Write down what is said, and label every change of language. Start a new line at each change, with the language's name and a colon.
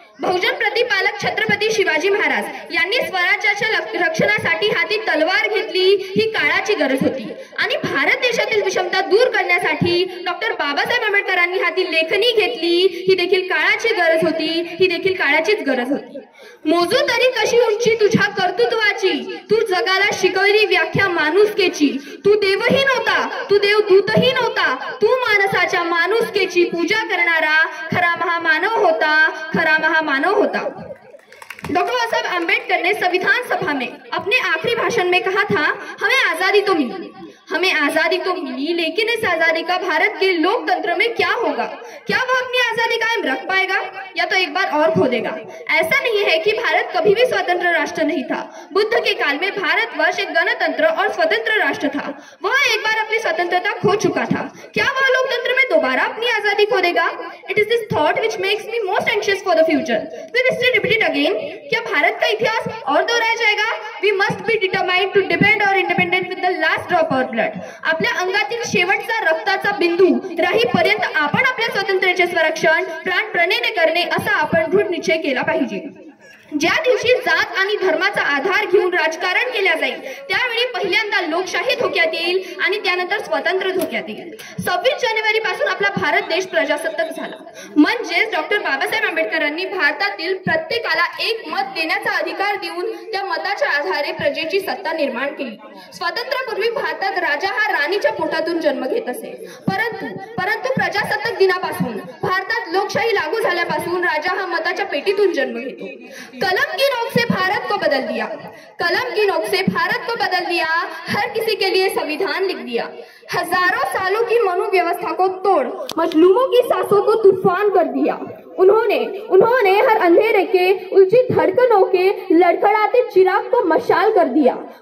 Marathi: बहुजन प्रतिपालक छत्रपती शिवाजी महाराज यांनी स्वराज्याच्या रक्षणासाठी हाती तलवार घेतली ही काळाची गरज होती आणि भारत देशातील विषमता दूर करण्यासाठी डॉक्टर बाबासाहेब आंबेडकरांनी हाती लेखनी घेतली ही देखील काळाची गरज होती, ही देखील काळाचीच गरज होती. मोजू तरी कशी उंची तुझ्या कर्तृत्वाची, तू जगाला शिकवली व्याख्या माणुसकेची, तू देवही नव्हता, तू देवदूतही नव्हता, तू माणसाच्या माणुसकेची पूजा करणारा खरा महामानव होता, खरा महामानव होता.
Hindi: डॉक्टर बाबासाहेब आंबेडकर ने संविधान सभा में अपने आखिरी भाषण में कहा था, हमें आजादी तो मिली, हमें आजादी तो मिली, लेकिन इस आजादी का भारत के लोकतंत्र में क्या होगा, क्या वह अपनी आजादी कायम रख पाएगा या तो एक बार और खो देगा. ऐसा नहीं है कि भारत कभी भी स्वतंत्र राष्ट्र नहीं था. बुद्ध के काल में भारत वर्ष एक गणतंत्र और स्वतंत्र राष्ट्र था. वह एक बार अपनी स्वतंत्रता खो चुका था, क्या वह लोकतंत्र में दोबारा अपनी आजादी खो देगा.
English: It is this thought which makes me most anxious for the future. We must repeat again,
Hindi: क्या भारत का इतिहास और दोहराया जाएगा.
English: We must be determined to depend our independence with the last drop of blood.
Marathi: आपल्या अंगातील शेवटचा रक्ताचा बिंदू राहीपर्यंत आपण आपल्या स्वातंत्र्याचे संरक्षण प्राणप्रणेने करणे असा आपण दृढ निश्चय केला पाहिजे. ज्या दिवशी जात आणि धर्माचा आधार घेऊन राजकारण केल्या जाईल त्यावेळी पहिल्यांदा लोकशाही धोक्यात येईल आणि त्यानंतर स्वतंत्र धोक्यात येईल. 26 जानेवारी पासून आपला भारत देश प्रजासत्ताक झाला, म्हणजे डॉक्टर बाबासाहेब आंबेडकरांनी भारतातील प्रत्येकाला एक मत देण्याचा अधिकार देऊन त्या मताच्या आधारे प्रजेची सत्ता निर्माण केली. स्वातंत्र्यापूर्वी भारतात राजा हा राणीच्या पोटातून जन्म घेत असे, परंतु प्रजासत्ताक दिनापासून भारतात लोकशाही लागू झाल्यापासून राजा हा मताच्या पेटीतून जन्म घेतो.
Hindi: कलम की नोक से भारत को बदल दिया, कलम की नोक से भारत को बदल दिया, हर किसी के लिए संविधान लिख दिया, हजारों सालों की मनोव्यवस्था को तोड़, मजलूमों की सांसों को तूफान कर दिया। उन्होंने हर अंधेरे के, उलझी धड़कनों के, लड़खड़ाते चिराग को मशाल कर दिया।